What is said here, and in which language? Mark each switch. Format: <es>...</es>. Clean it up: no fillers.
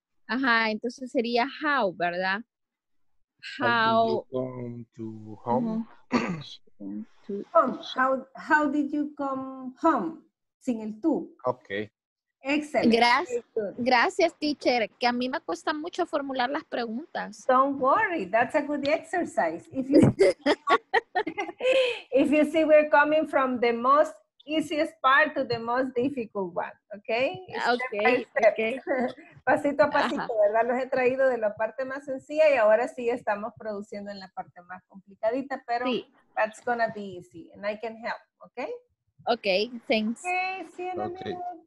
<es>Ajá, entonces sería how, ¿verdad? How</es> <en>did you come to home? How did you come home?</en> <es>Sin el tú.</es> <en>Okay.</en> <es>Excelente. Gracias, teacher, que a mí me cuesta mucho formular las preguntas.</es> <en>Don't worry, that's a good exercise. If you see we're coming from the most easiest part to the most difficult one, okay? Okay, okay.</en> <es>Pasito a pasito, ajá, ¿verdad? Los he traído de la parte más sencilla y ahora sí estamos produciendo en la parte más complicadita, pero sí.</es> <en>That's gonna be easy and I can help, okay? Okay, thanks. Okay, see you in a minute.</en>